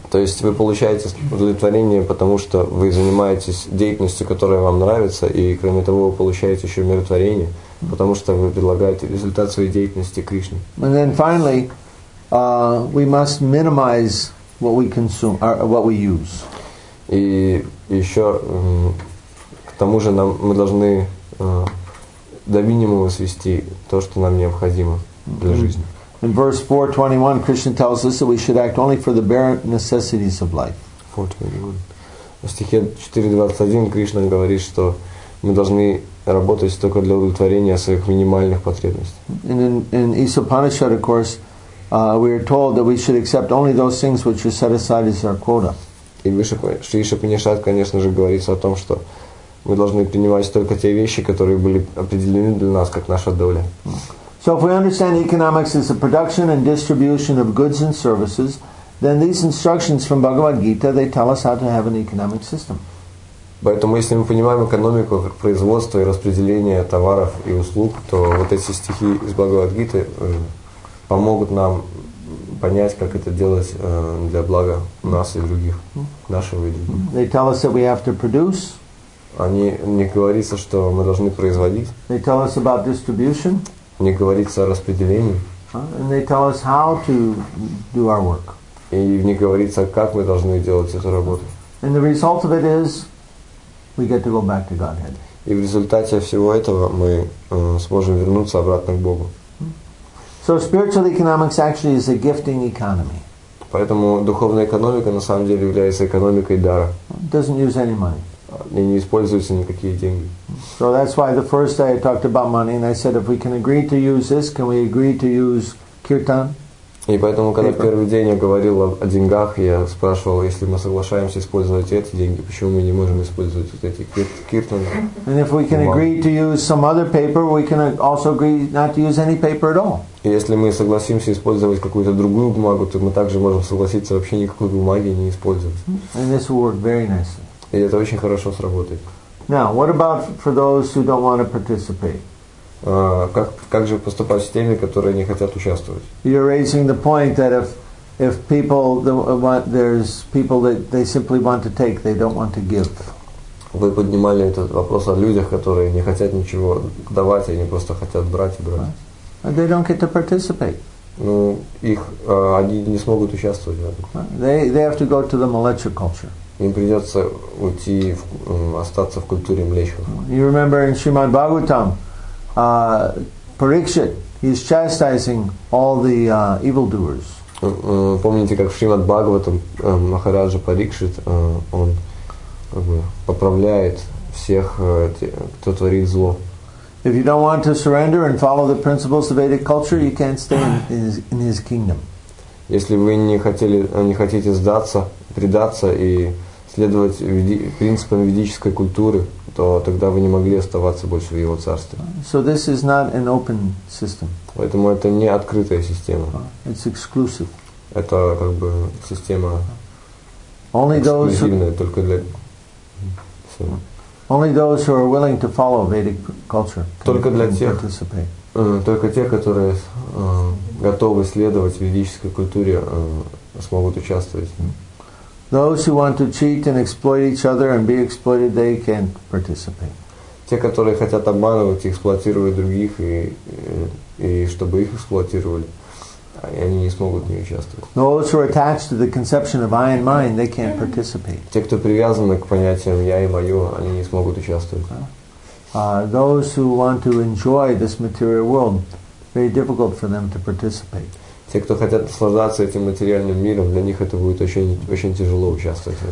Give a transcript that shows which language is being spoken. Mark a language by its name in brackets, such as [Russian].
[Russian] То есть вы получаете удовлетворение, потому что вы занимаетесь деятельностью, которая вам нравится, и кроме того вы получаете еще умиротворение, потому что вы предлагаете результат своей деятельности Кришне. [English] And then finally, we must minimize what we consume, or what we use. [Russian] И еще к тому же нам мы должны до минимума свести то, что нам необходимо для жизни. [English] In verse 4.21 Krishna tells us that we should act only for the bare necessities of life. [Russian] 4.21. В стихе 4.21 Кришна говорит, что мы должны работать только для удовлетворения своих минимальных потребностей. [English] And in Isa Upanishad, of course, we are told that we should accept only those things which are set aside as our quota. [Russian] И Иса Панишат, конечно же, говорится о том, что мы должны принимать только те вещи, которые были определены для нас как наша доля. [English] So if we understand economics as the production and distribution of goods and services, then these instructions from Bhagavad Gita, they tell us how to have an economic system. [Russian] Поэтому если мы понимаем экономику как производство и распределение товаров и услуг, то вот эти стихи из Бхагавад Гиты помогут нам понять, как это делать для блага нас и других, нашего и других. [English] They tell us that we have to produce. [Russian] Они не говорится, что мы должны производить. [English] They tell us about distribution. [Russian] Не говорится о распределении. [English] And they tell us how to do our work. [Russian] И не говорится, как мы должны делать эту работу. [English] And the result of it is, we get to go back to Godhead. [Russian] И в результате всего этого мы сможем вернуться обратно к Богу. [English] So spiritual economics actually is a gifting economy. [Russian] Поэтому духовная экономика на самом деле является экономикой дара. [English] It doesn't use any money. [Russian] И не используются никакие деньги. [English] So that's why the first day I talked about money, and I said, if we can agree to use this, can we agree to use kirtan? [Russian] И поэтому, когда первый день я говорил о деньгах, я спрашивал, если мы соглашаемся использовать эти деньги, почему мы не можем использовать вот эти kirtan? [English] And if we can agree to use some other paper, we can also agree not to use any paper at all. [Russian] И если мы согласимся использовать какую-то другую бумагу, то мы также можем согласиться вообще никакой бумаги не использовать. [English] And this will work very nicely. [Russian] И это очень хорошо сработает. [English] Now, what about for those who don't want to participate? [Russian] Как же поступать с теми, которые не хотят участвовать? [English] You're raising the point that if people want, there's people that they simply want to take, they don't want to give. [Russian] Вы поднимали этот вопрос о людях, которые не хотят ничего давать, они просто хотят брать и брать. [English] And they don't get to participate. [Russian] Ну, их они не смогут участвовать в этом. [English] They have to go to the Malecha culture. [Russian] Им придется уйти, остаться в культуре млечных. [English] You remember in Srimad Bhagavatam, Parikshit, he's chastising all the evildoers. [Russian] Помните, как в Шримад Бхагаватам Махараджа Парикшит, он как бы поправляет всех, кто творит зло. [English] If you don't want to surrender and follow the principles of Vedic culture, you can't stay in his kingdom. [Russian] Если вы не хотите сдаться, предаться и следовать принципам ведической культуры, то тогда вы не могли оставаться больше в его царстве. [English] So this is not an open system. [Russian] Поэтому это не открытая система. [English] It's exclusive. [Russian] Это как бы система [English] only [Russian] эксклюзивная, только для [English] only those who are willing to follow Vedic culture can [Russian] только для тех, [English] participate. [Russian] Только те, которые готовы следовать ведической культуре, смогут участвовать. [English] Those who want to cheat and exploit each other and be exploited, they can't participate. [Russian] Те, которые хотят обманывать и эксплуатировать других, и чтобы их эксплуатировали, и они не смогут в ней участвовать. [English] Those who are attached to the conception of I and mine, they can't participate. [Russian] Те, кто привязаны к понятиям я и мое, они не смогут участвовать. [English] Those who want to enjoy this material world, very difficult for them to participate. [Russian] Те, кто хотят наслаждаться этим материальным миром, для них это будет очень тяжело участвовать.